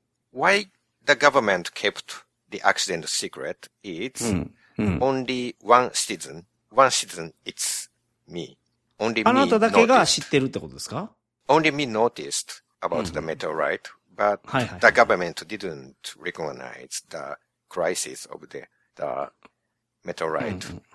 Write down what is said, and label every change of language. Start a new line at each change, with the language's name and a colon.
English: Why the government kept the accident secret is only one citizen, it's me. Only me.
Japanese: あなただけが知ってるってことですか？
English: Only me noticed about the meteorite, but the government didn't recognize the crisis of the meteorite.